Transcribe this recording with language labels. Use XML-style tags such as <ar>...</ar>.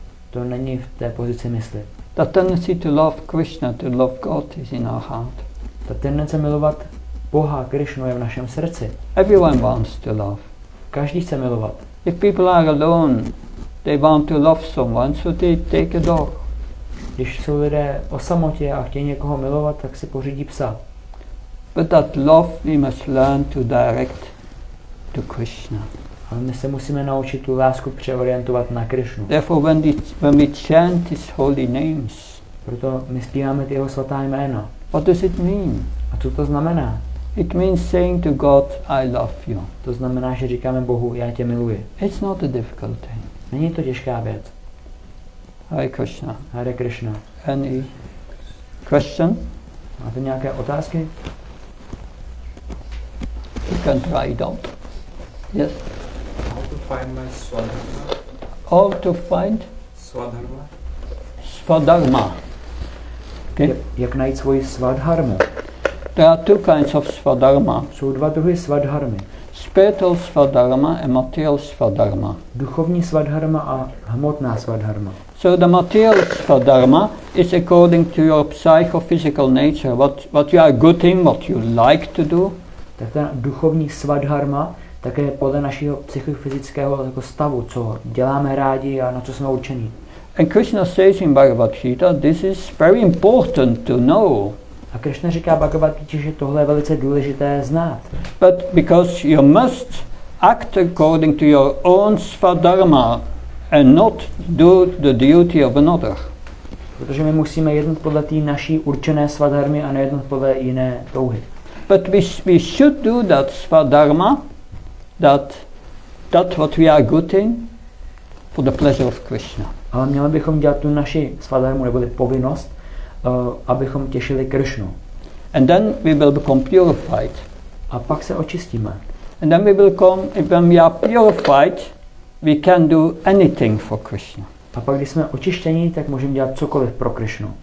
<cs>To není v té pozici mysli.</cs> <en>The tendency to love Krishna, to love God is in our heart.</en> <cs>Ta tendence milovat Boha, Krishnu, je v našem srdci.</cs> <en>Everyone wants to love.</en> <cs>Každý chce milovat.</cs> <en>If people are alone, they want to love someone, so they take a dog.</en> <cs>Když jsou lidé o samotě a chtějí někoho milovat, tak si pořídí psa.</cs> <en>But that love we must learn to direct to Krishna.</en> <cs>Ale my se musíme naučit tu lásku přeorientovat na Krishnu.</cs> <en>Therefore when we chant his holy names.</en> <cs>Proto my zpíváme ty jeho svatá jména.</cs> <en>What does it mean?</en> <cs>A co to znamená?</cs> <en>It means saying to God, I love you.</en> <cs>To znamená, že říkáme Bohu, já tě miluji.</cs> <en>It's not a difficult thing.</en> <cs>Není to těžká věc.</cs> <sa>Hare Krishna. Hare Krishna.</sa> <en>Any question?</en> <cs>Máte nějaké otázky?</cs> <en>You can try it out. Yes? How to find my Swadharma? How to find? Swadharma. Okay.</en> <cs>Jak najít svoji Swadharmu?</cs> <en>There are two kinds of Swadharma.</en> <cs>Jsou dva druhy Swadharmy.</cs> <en>Spiritual Swadharma and material Swadharma.</en> <cs>Duchovní Swadharma a hmotná Swadharma.</cs> <en>So the material Swadharma is according to your psychophysical nature, what you are good in, what you like to do.</en> <cs>Tak ta duchovní Swadharma také podle našeho psychofyzického jako stavu, co děláme rádi a na co jsme určení.</cs> <en>And Krishna says in Bhagavad Gita, this is very important to know.</en> <cs>A Krishna říká Bhagavad Gita, že tohle je velice důležité znát.</cs> <en>But because you must act according to your own Swadharma, and not do the duty of another.</en> <cs>Protože my musíme jednat podle té naší určené svadharmy a nejednat podle jiné touhy.</cs> <en>But we should do that svadharma, that what we are good in, for the pleasure of Krishna.</en> <cs>Ale měli bychom dělat tu naši svadharmu, neboli povinnost, abychom těšili Krishnu.</cs> <en>And then we will become purified.</en> <cs>A pak se očistíme.</cs> <en>And then we will come, when we are purified, we can do anything for Krishna.</en> <cs>A pak když jsme očištění, tak můžeme dělat cokoliv pro Krishnu.</cs>